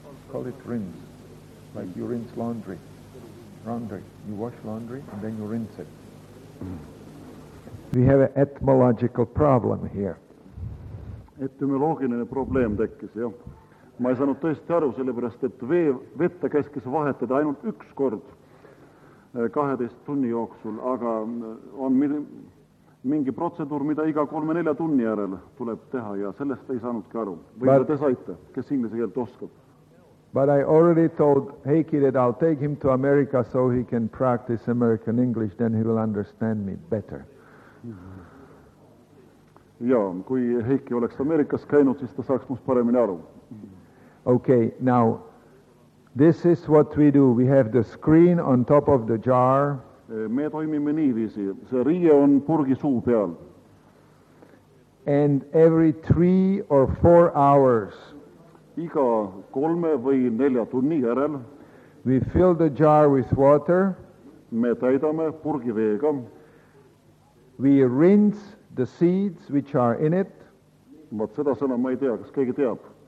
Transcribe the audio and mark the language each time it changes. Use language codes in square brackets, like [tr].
[en] Call it rinse, like you rinse laundry. Laundry. You wash laundry, and then you rinse it. We have an etymological problem here. [et] Etymologiline probleem tekkis, jah. Ma ei saanud tõesti aru, sellepärast, et vette käskis vahetada ainult üks kord 12 tunni jooksul, aga on mingi protseduur, mida iga 3-4 tunni järel tuleb teha ja sellest ei saanudki aru. Võib-olla te saite, kes inglise keelt oskab. [en] But I already told Heikki that I'll take him to America so he can practice American English, then he will understand me better. [et] Ja, kui Heikki oleks Amerikas käinud, siis ta saaks must paremini aru. [en] Okay, now, this is what we do. We have the screen on top of the jar. [et] Me toimime niiviisi. See riie on purgi suu peal. [en] And every 3 or 4 hours, [et] iga kolme või nelja tunni järel, [en] we fill the jar with water. [et] Me täidame purgi veega. [en] We rinse the seeds which are in it. [et] Vaat seda sõna ma ei tea, kas keegi teab.